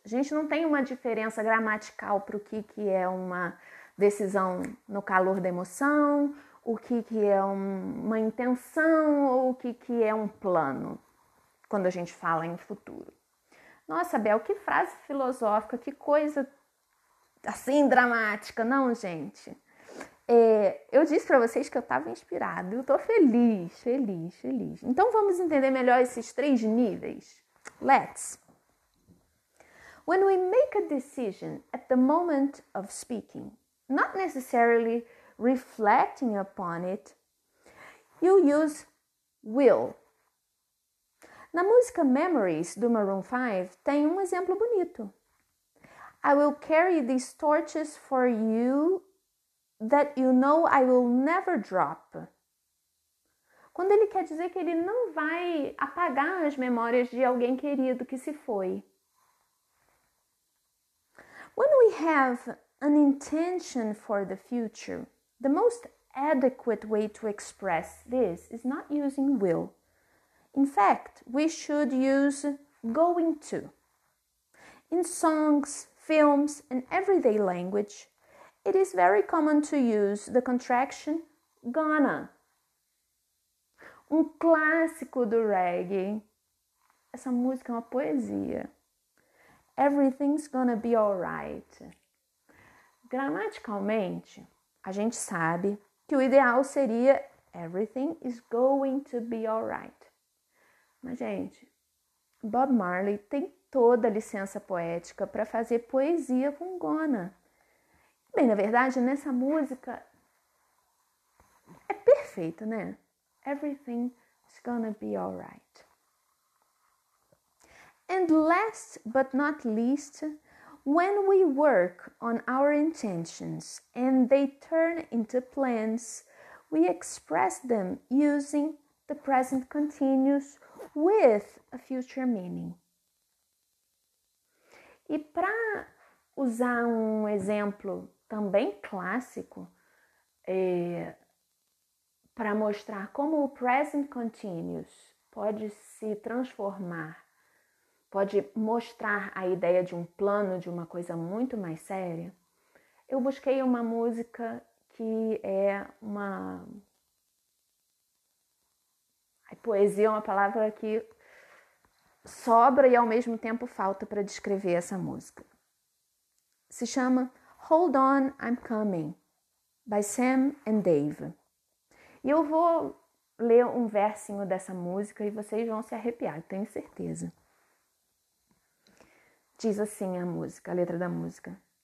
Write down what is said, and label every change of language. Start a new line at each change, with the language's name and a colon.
Portuguese: A gente não tem uma diferença gramatical para o que é uma decisão no calor da emoção, o que é uma intenção ou o que é um plano, quando a gente fala em futuro. Nossa, Bel, que frase filosófica, que coisa assim dramática, não, gente? Eu disse para vocês que eu estava inspirada, eu estou feliz, feliz, feliz. Então vamos entender melhor esses três níveis. Let's.
English: When we make a decision at the moment of speaking, not necessarily reflecting upon it, you use will.
Portuguese: Na música Memories, do Maroon 5, tem um exemplo bonito.
English: I will carry these torches for you that you know I will never drop.
Portuguese: Quando ele quer dizer que ele não vai apagar as memórias de alguém querido que se foi.
English: When we have an intention for the future, the most adequate way to express this is not using will. In fact, we should use going to. In songs, films, and everyday language, it is very common to use the contraction gonna.
Portuguese: Um clássico do reggae. Essa música é uma poesia.
English: Everything's gonna be alright.
Portuguese: Gramaticalmente, a gente sabe que o ideal seria
English: everything is going to be alright.
Portuguese: Mas, gente, Bob Marley tem toda a licença poética para fazer poesia com gonna. Bem, na verdade, nessa música é perfeito, né?
English: Everything is gonna be alright. And last but not least, when we work on our intentions and they turn into plans, we express them using the present continuous with a future meaning.
Portuguese: E para usar um exemplo também clássico, para mostrar como o present continuous pode se transformar, pode mostrar a ideia de um plano, de uma coisa muito mais séria, eu busquei uma música que é uma... Poesia é uma palavra que sobra e ao mesmo tempo falta para descrever essa música. Se chama Hold On, I'm Coming, by Sam and Dave. E eu vou ler um versinho dessa música e vocês vão se arrepiar, tenho certeza. Diz assim a música, a letra da música.